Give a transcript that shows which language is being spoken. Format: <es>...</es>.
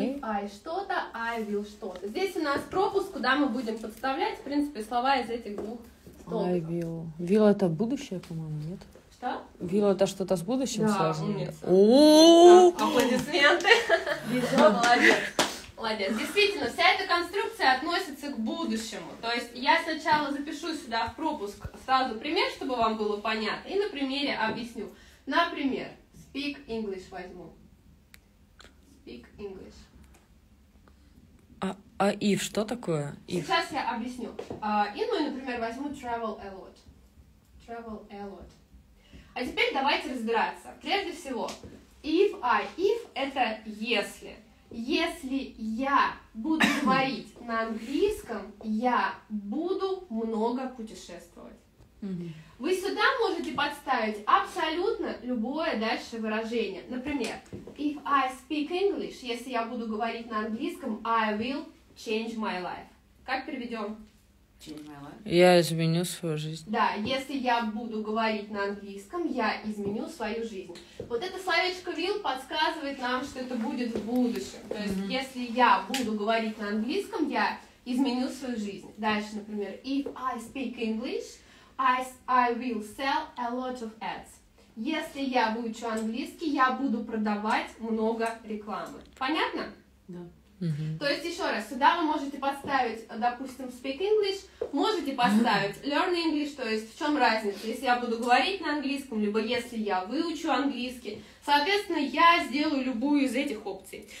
<en>If I что-то, I will что-то.</en> <ru>Здесь у нас пропуск, куда мы будем подставлять, в принципе, слова из этих двух столбиков.</ru> <en>I will.</en> <ru>Will это будущее, по-моему, нет? Что? Will это что-то с будущим связано? Да, умница. Аплодисменты. Молодец. Молодец. Действительно, вся эта конструкция относится к будущему. То есть я сначала запишу сюда в пропуск сразу пример, чтобы вам было понятно, и на примере объясню. Например, speak English возьму.</ru> <en>Speak English.</en> <ru>А if что такое?</ru> <en>If.</en> <ru>Сейчас я объясню. Например, возьму</ru> <en>travel a lot. Travel a lot.</en> <ru>А теперь давайте разбираться. Прежде всего, if I. If это если. Если я буду говорить на английском, я буду много путешествовать. Вы сюда можете подставить абсолютно любое дальше выражение. Например,</ru> <en>if I speak English,</en> <ru>если я буду говорить на английском,</ru> <en>I will change my life.</en> <ru>Как переведем?</ru> <en>Change my life.</en> <ru>Я изменю свою жизнь. Да, если я буду говорить на английском, я изменю свою жизнь. Вот это словечко will подсказывает нам, что это будет в будущем. То есть, если я буду говорить на английском, я изменю свою жизнь. Дальше, например,</ru> <en>if I speak English, I will sell a lot of ads.</en> <ru>Если я выучу английский, я буду продавать много рекламы. Понятно? Да. То есть, еще раз, сюда вы можете подставить, допустим, speak English, можете поставить</ru> <en>learn English,</en> <ru>то есть в чем разница, если я буду говорить на английском, либо если я выучу английский, соответственно, я сделаю любую из этих опций.</ru>